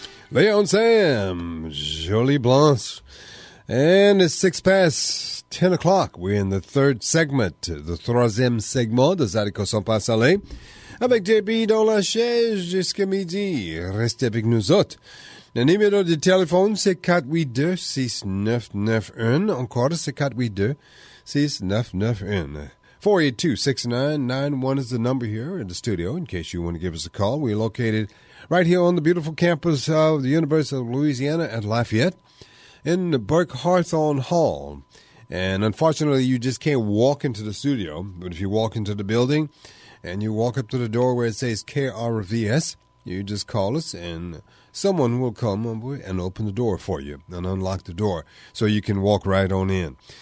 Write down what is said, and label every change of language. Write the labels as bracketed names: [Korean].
[English] Leon Sam, Jolie Blanche, and it's 6 past 10 o'clock. We're in the third segment, the [French] troisième segment de Zydeco 100% Salé, avec JB dans la chaise jusqu'à midi. Restez avec nous autres. Le numéro de téléphone, c'est 482-6991. Encore, c'est 482-6991. [English] 482-6991 is the number here in the studio, in case you want to give us a call. We're located right here on the beautiful campus of the University of Louisiana at Lafayette in the Burke Hawthorne Hall. And unfortunately, you just can't walk into the studio. But if you walk into the building and you walk up to the door where it says KRVS, you just call us and someone will come and open the door for you and unlock the door so you can walk right on in.